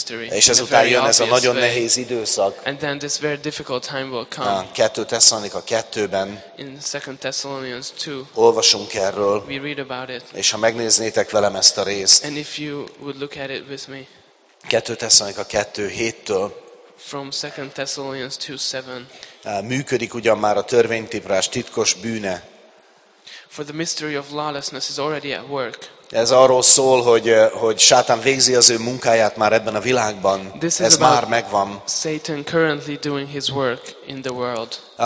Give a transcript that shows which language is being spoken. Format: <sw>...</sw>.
<hu>És ezután jön ez a nagyon nehéz időszak.</hu> <en>And then this very difficult time will come.</en> <hu>2 Tesszalonika 2-ben</hu> <en>in 2 Thessalonians 2,</en> <hu>olvasunk erről.</hu> <en>We read about it.</en> <hu>És ha megnéznétek velem ezt a részt.</hu> <en>And if you would look at it with me.</en> <hu>2 Tesszalonika 2:7-től.</hu> <en>From 2 Thessalonians 2:7.</en> <hu>Működik ugyan már a törvénytiprás titkos bűne.</hu> <en>For the mystery of lawlessness is already at work.</en> <hu>Ez arról szól, hogy Sátán végzi az ő munkáját már ebben a világban.</hu> <en>This</en> <hu>ez</hu> <en>is</en> <hu>már</hu> <en>about</en> <hu>megvan.</hu> <en>Satan currently doing his work in the world.</en>